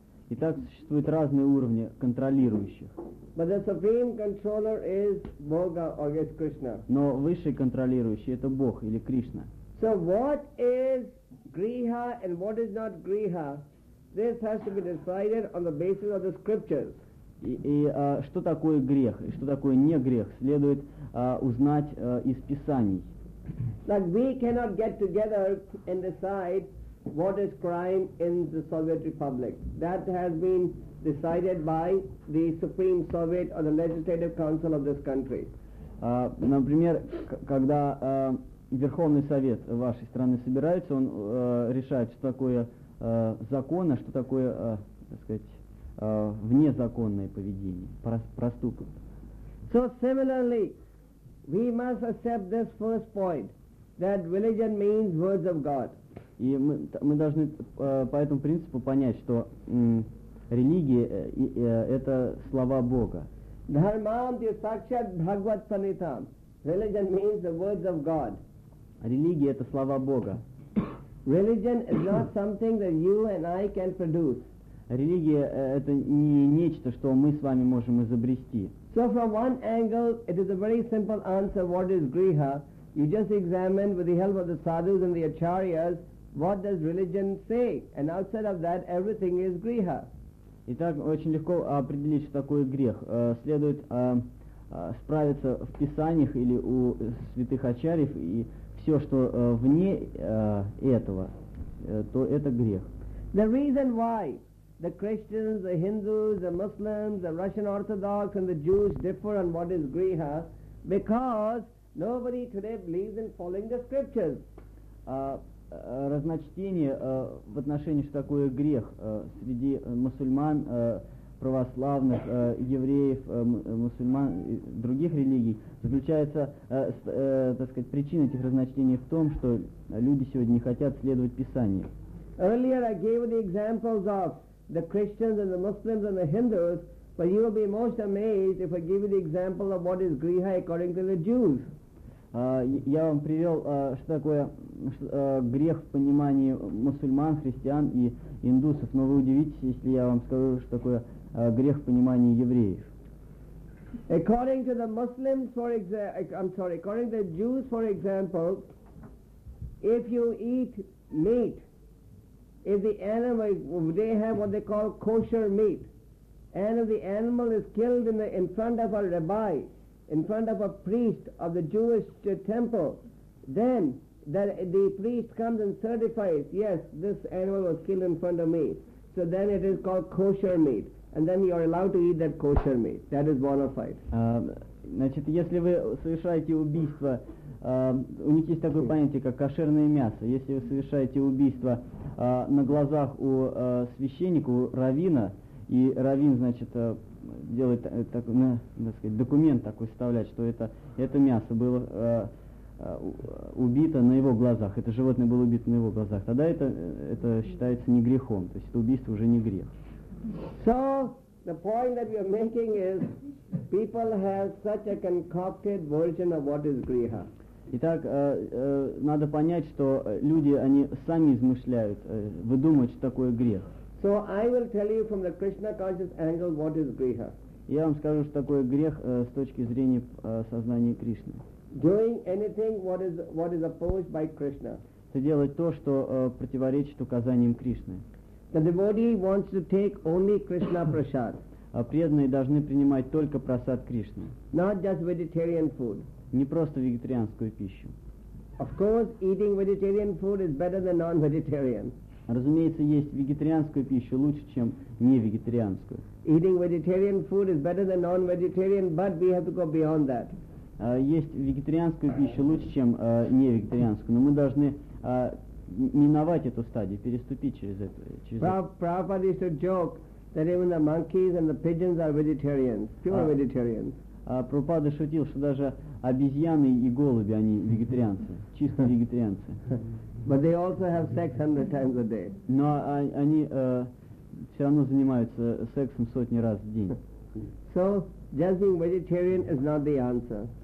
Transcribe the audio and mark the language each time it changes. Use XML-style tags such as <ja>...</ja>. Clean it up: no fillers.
<ru>Итак, существуют разные уровни контролирующих.</ru> <en>But the supreme controller is Boga or is Krishna.</en> <ru>Но высший контролирующий это Бог или Кришна.</ru> <en>So what is Griha and what is not Griha? This has to be decided on the basis of the scriptures.</en> <ru>И что такое грех и что такое не грех следует узнать из Писаний.</ru> <en>Like we cannot get together and decide what is crime in the Soviet Republic. That has been decided by the Supreme Soviet or the Legislative Council of this country.</en> <ru>Например, когда Верховный Совет вашей страны собирается, он решает, что такое закон, а что такое, внезаконное поведение, проступок.</ru> <en>So similarly, we must accept this first point, that religion means words of God.</en> <ru>И мы должны по этому принципу понять, что религия это слова Бога.</ru> <sa>Dharmam the sakshat bhagavat sanitam.</sa> <en>Religion means the words of God.</en> <ru>Религия это слова Бога.</ru> <en>Religion is not something that you and I can produce.</en> <ru>Религия это не нечто, что мы с вами можем изобрести.</ru> <en>So from one angle, it is a very simple answer. What is griha? You just examine with the help of the sadhus and the acharyas. What does religion say? And outside of that, everything is griha.</en> <ru>Итак, очень легко определить, что такое грех. Следует справиться в писаниях или у святых ачарьев, и все, что вне этого, то это грех.</ru> <en>The reason why the Christians, the Hindus, the Muslims, the Russian Orthodox and the Jews differ on what is griha, because nobody today believes in following the scriptures.</en> <ru>Разночтение в отношении, что такое грех среди мусульман, православных, евреев, мусульман и других религий заключается, причина этих разночтений в том, что люди сегодня не хотят следовать Писанию.</ru> <en>Earlier I gave the examples of the Christians and the Muslims and the Hindus, but you will be most amazed if I give you the example of what is griha according to the Jews.</en> <ru>Я вам привел, что такое грех в понимании мусульман, христиан и индусов, но вы удивитесь, если я вам скажу, что такое грех в понимании евреев.</ru> <en>According to the Muslims, according to the Jews, for example, if you eat meat, if the animal, they have what they call kosher meat, And if the animal is killed in front of a rabbi, in front of a priest of the Jewish temple, then the priest comes and certifies, yes, this animal was killed in front of me. So then it is called kosher meat. And then you are allowed to eat that kosher meat. That is bona fide.</en> <ru>Значит, если вы совершаете убийство, у них есть такое понятие, как кошерное мясо. Если вы совершаете убийство на глазах у священника, у раввина, и раввин, значит, делает так, так сказать, документ такой вставляет, что это мясо было убито на его глазах, это животное было убито на его глазах, тогда это считается не грехом, то есть это убийство уже не грех.</ru> <en>So, the point that we are making is, people have such a concocted version of what is griha.</en> <ru>Итак, надо понять, что люди, они сами измышляют, выдумывают, что такое грех.</ru> <en>So I will tell you from the Krishna conscious angle what is griha.</en> <ru>Я вам скажу, что такое грех с точки зрения сознания Кришны.</ru> <en>Doing anything what is opposed by Krishna.</en> <ru>Это делать то, что противоречит указаниям Кришны.</ru> <en>The devotee wants to take only Krishna prasad.</en> <ru>А преданные должны принимать только прасад Кришны.</ru> <en>Not just vegetarian food.</en> <ru>Не просто вегетарианскую пищу.</ru> <en>Of course, eating vegetarian food is better than non-vegetarian.</en> <ru>Разумеется, есть вегетарианскую пищу лучше, чем не вегетарианскую.</ru> <en>Eating vegetarian food is better than non-vegetarian, but we have to go beyond that.</en> <ru>Есть вегетарианскую пищу лучше, чем не вегетарианскую, но мы должны миновать эту стадию, переступить через это.</ru> <en>Prabhupada used to joke that even the monkeys and the pigeons are vegetarians, pure vegetarians.</en> <ru>Прабхупада шутил, что даже обезьяны и голуби, они вегетарианцы, чисто вегетарианцы.</ru> <en>But they also have sex 100 times a day.</en> <ru>Но они все равно занимаются сексом сотни раз в день.</ru> <en>So, just being vegetarian is not the answer.</en>